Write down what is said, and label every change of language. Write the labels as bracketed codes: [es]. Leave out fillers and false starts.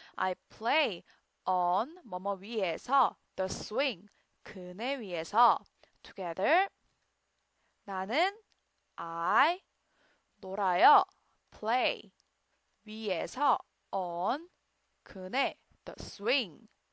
[en] I play on 뭐뭐 위에서 the swing. [ko] 그네 위에서 together. 나는 I 놀아요. [en] Play 위에서 on 그네 the swing.